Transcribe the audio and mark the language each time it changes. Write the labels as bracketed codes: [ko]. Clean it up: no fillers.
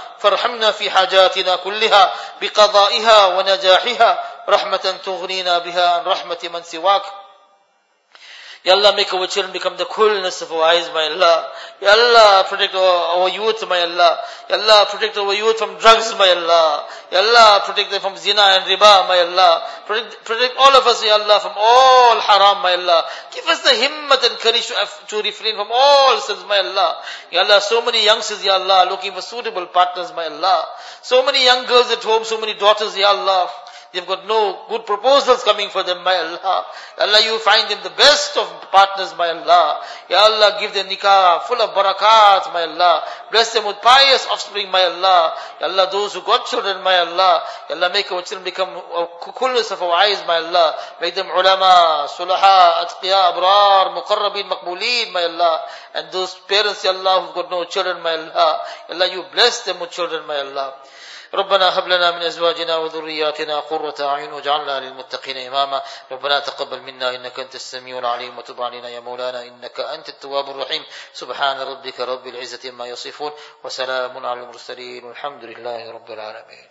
[ar] فارحمنا في حاجاتنا كلها بقضائها ونجاحها رحمة تغنينا بها عن رحمة من سواك. [en] Ya Allah, make our children become the coolness of our eyes, my Allah. Ya Allah, protect our youth, my Allah. Ya Allah, protect our youth from drugs, my Allah. Ya Allah, protect them from zina and riba, my Allah. Protect all of us, ya Allah, from all haram, my Allah. Give us the himmat and courage to refrain from all sins, my Allah. Ya Allah, so many youngsters, ya Allah, looking for suitable partners, my Allah. So many young girls at home, so many daughters, ya Allah. They've got no good proposals coming for them, my Allah. Ya Allah, you find them the best of partners, my Allah. Ya Allah, give them nikah full of barakat, my Allah. Bless them with pious offspring, my Allah. Ya Allah, those who got children, my Allah. Ya Allah, make our children become coolness of our eyes, my Allah. Make them ulama, sulaha, atqiya, abrar, muqarrabin, maqbuleen, my Allah. And those parents, ya Allah, who've got no children, my Allah. Ya Allah, you bless them with children, my Allah. [ar] ربنا هب لنا من ازواجنا وذرياتنا قرة اعين واجعلنا للمتقين اماما ربنا تقبل منا انك انت السميع العليم وتب علينا يا مولانا انك انت التواب الرحيم سبحان ربك رب العزة عما يصفون وسلام على المرسلين والحمد لله رب العالمين.